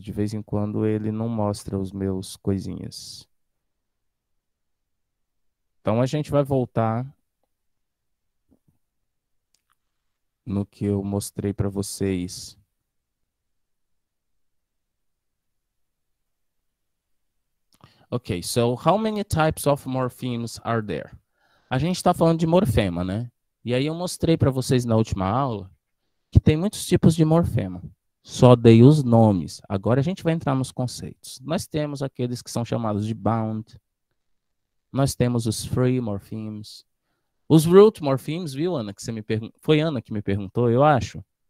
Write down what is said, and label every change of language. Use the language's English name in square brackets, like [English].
[Portuguese] De vez em quando ele não mostra os meus coisinhas. Então a gente vai voltar no que eu mostrei para vocês. [English] Ok, so how many types of morphemes are there? [Portuguese] A gente está falando de morfema, né? E aí eu mostrei para vocês na última aula que tem muitos tipos de morfema. Só dei os nomes. Agora a gente vai entrar nos conceitos. Nós temos aqueles que são chamados de bound. Nós temos os free morphemes. Os root morphemes, viu, Ana? Que você me Foi Ana que me perguntou, eu acho.